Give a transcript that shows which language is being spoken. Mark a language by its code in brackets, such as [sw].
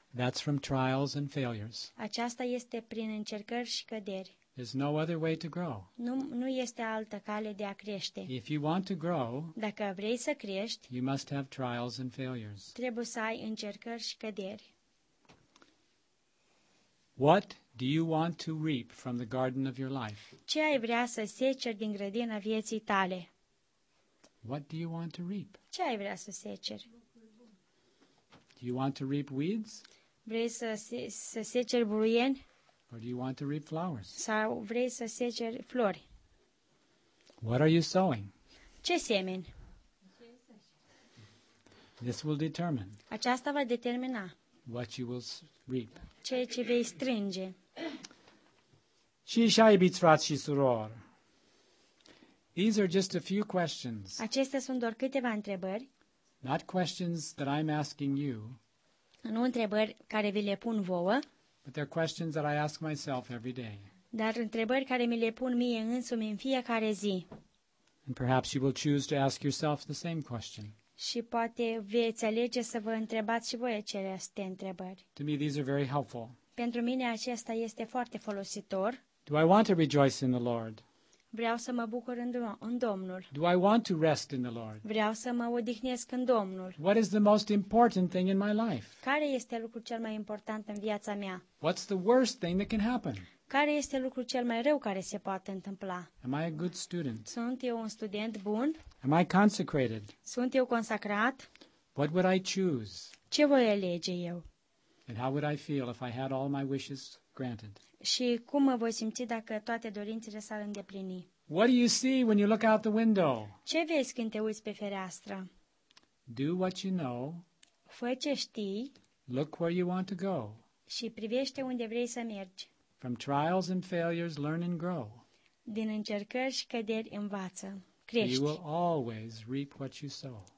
[en] That's from trials and failures. [ro] Aceasta este prin încercări și căderi. [en] There's no other way to grow. [ro] Nu este altă cale de a crește. [en] If you want to grow, [ro] dacă vrei să crești, [en] you must have trials and failures. [ro] Trebuie să ai încercări și căderi. [en] What do you want to reap from the garden of your life? [ro] Ce ai vrea să seceri din grădina vieții tale? [en] What do you want to reap? [ro] Ce ai vrea să seceri? [en] Do you want to reap weeds? [ro] Vrei să seceri buruieni? [en] Or do you want to reap flowers? [ro] Sau vrei să seceri flori? [en] What are you sowing? [ro] Ce semeni? [en] This will determine. [ro] Aceasta va determina. [en] What you will reap. [ro] Ceea ce vei strânge. Și așa, iubiți frați și surori. [en] These are just a few questions. [ro] Acestea sunt doar câteva întrebări. [en] Not questions that I'm asking you. [ro] Nu întrebări care vi le pun vouă. [en] But they're questions that I ask myself every day. [ro] Dar întrebări care mi le pun mie însumi în fiecare zi. [en] And perhaps you will choose to ask yourself the same question. [ro] Și poate veți alege să vă întrebați și voi aceleași întrebări. [en] To me, these are very helpful. [ro] Pentru mine acesta este foarte folositor. [en] Do I want to rejoice in the Lord? [ro] Vreau să mă bucur în Domnul. [en] Do I want to rest in the Lord? [ro] Vreau să mă odihnesc în Domnul. [en] What is the most important thing in my life? [ro] Care este lucrul cel mai important în viața mea? [en] What's the worst thing that can happen? [ro] Care este lucrul cel mai rău care se poate întâmpla? [en] Am I a good student? [ro] Sunt eu un student bun? [en] Am I consecrated? [ro] Sunt eu consacrat? [en] What would I choose? [ro] Ce voi alege eu? [en] And how would I feel if I had all my wishes granted? [ro] Și cum mă voi simți dacă toate dorințele s-ar îndeplini? [en] What do you see when you look out the window? [ro] Ce vezi când te uiți pe fereastră? [en] Do what you know. [ro] Fă ce știi. [en] Look where you want to go. [ro] Și privește unde vrei să mergi. [en] From trials and failures, learn and grow. [ro] Din încercări și căderi, învață. Crești. [en] You will always reap what you sow.